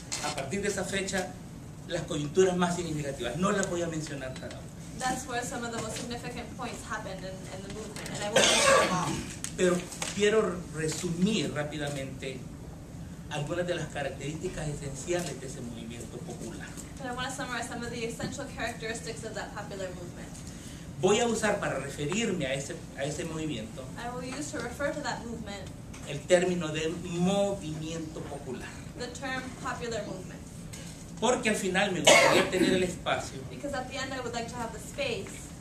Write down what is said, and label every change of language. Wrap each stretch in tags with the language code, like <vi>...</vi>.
<es>a partir de esa fecha las coyunturas más significativas. No las voy a mencionar cada una.</es> <en>That's where some of the most significant points happened in the movement, and I won't mention them all.</en> <es>Pero quiero resumir rápidamente algunas de las características esenciales de ese movimiento popular.</es> <en>But I want to summarize some of the essential characteristics of that popular movement.</en> <es>Voy a usar para referirme a ese movimiento,</es> <en>I will use to refer to that movement,</en> <es>el término de movimiento popular,</es> <en>the term popular movement.</en> <es>Porque al final me gustaría tener el espacio,</es> <en>because at the end I would like to have the space,</en>